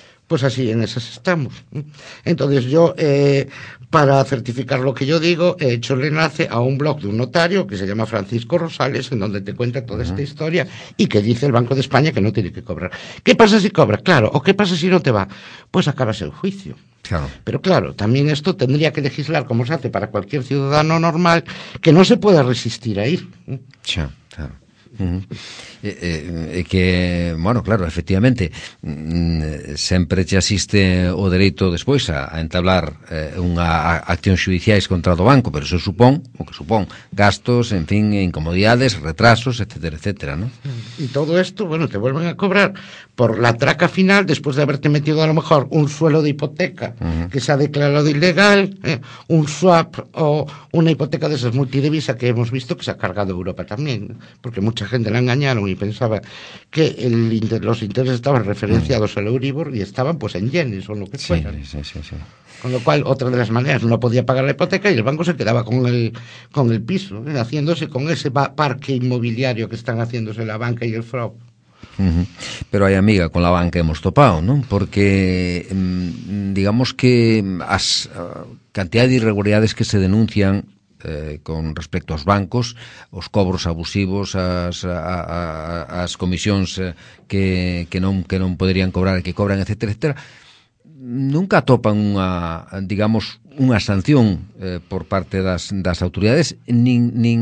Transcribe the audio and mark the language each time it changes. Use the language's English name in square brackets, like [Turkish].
[Spanish] Pues así, en esas estamos. Entonces yo, para certificar lo que yo digo, he hecho el enlace a un blog de un notario que se llama Francisco Rosales, en donde te cuenta toda esta historia y que dice el Banco de España que no tiene que cobrar. ¿Qué pasa si cobra? Claro. ¿O qué pasa si no te va? Pues acabas el juicio. Claro. Pero claro, también esto tendría que legislar, como se hace para cualquier ciudadano normal, que no se pueda resistir a ir. Sí, claro. [Galician] Que, bueno, claro, efectivamente, sempre te asiste o dereito despois a entablar unha acción xudiciais contra o banco, pero eso supón, o que supón, gastos, en fin, incomodidades, retrasos, etcétera, etcétera, ¿no? [Spanish] Y todo esto, bueno, te vuelven a cobrar por la traca final, después de haberte metido a lo mejor un suelo de hipoteca que se ha declarado ilegal, un swap o una hipoteca de esas multidivisa que hemos visto que se ha cargado Europa también, porque mucha gente la engañaron y pensaba que los intereses estaban referenciados al Euribor y estaban pues en yenes o lo que fuera. Sí. Con lo cual, otra de las maneras, no podía pagar la hipoteca y el banco se quedaba con el piso, ¿eh? Haciéndose con ese parque inmobiliario que están haciéndose la banca y el fraude. Pero hay amiga, con la banca hemos topado, ¿no? [Galician] Porque digamos que as cantidad de irregularidades que se denuncian con respecto aos bancos, os cobros abusivos, as comisións que non poderían cobrar e que cobran, etcétera, etcétera, nunca topan unha, digamos, unha sanción por parte das autoridades, nin